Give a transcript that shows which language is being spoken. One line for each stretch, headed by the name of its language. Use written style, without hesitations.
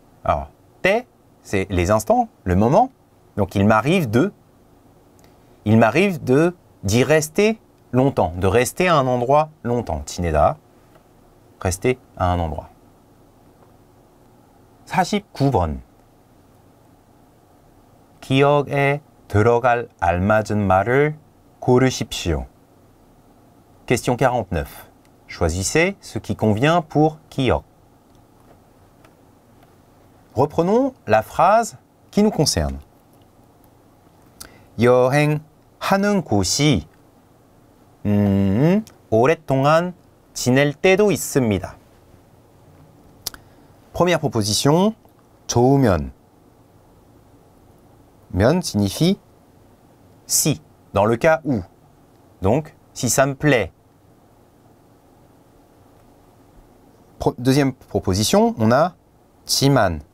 French: Alors,
Korean: 때
French: c'est les instants, le moment. Donc, il m'arrive de Il m'arrive d'y rester longtemps, de rester à un endroit longtemps.
Korean: 지내다,
French: rester à un endroit.
Korean: 49번. 기억에 들어갈 알맞은 말을 고르십시오.
French: Question 49. Choisissez ce qui convient pour 기억. Reprenons la phrase qui nous concerne.
Korean: 여행 하는 곳이 오랫동안 지낼 때도 있습니다.
French: Première proposition,
Korean: 좋으면.
French: 면 signifie si, dans le cas où. Donc, si ça me plaît. Deuxième proposition, on a 지만.